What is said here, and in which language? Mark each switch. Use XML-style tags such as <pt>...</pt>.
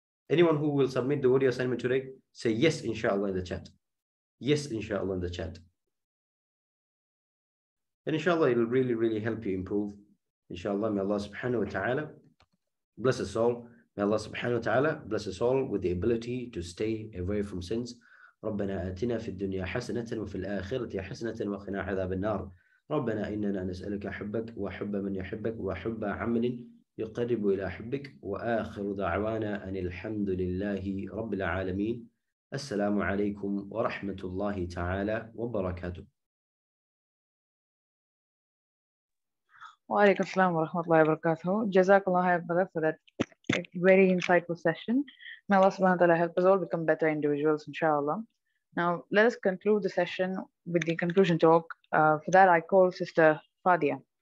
<en>Anyone who will submit the audio assignment today, say yes, inshallah, in the chat. Yes, inshallah, in the chat. And inshallah, it will really, really help you improve. Inshallah, may Allah subhanahu wa ta'ala bless us all. May Allah subhanahu wa ta'ala bless us all with the ability to stay away from sins.</en> <ar>ربنا آتنا في الدنيا حسنة وفي الآخرة حسنة وقنا عذاب النار. ربنا إننا نسألك حبك وحب من يحبك وحب عمل يقرب إلى حبك وآخر دعوانا أن الحمد لله رب العالمين. السلام عليكم ورحمة الله تعالى وبركاته. وعليكم السلام ورحمة الله وبركاته. جزاك الله خيرا</ar> <en>for that very insightful session. May Allah subhanahu wa ta'ala help us all become better individuals, inshallah. Now, let us conclude the session with the conclusion talk. For that, I call Sister Fadia.</en>